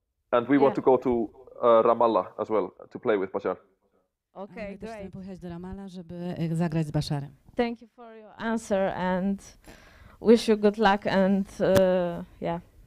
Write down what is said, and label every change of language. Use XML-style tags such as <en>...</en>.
<en>And we want to go to Ramallah as well to play with Bashar. Okay, great.</en> <pl>Chcemy pojechać do Ramallah, żeby zagrać z Basharem.</pl> <en>Thank you for your answer and wish you good luck and yeah.</en>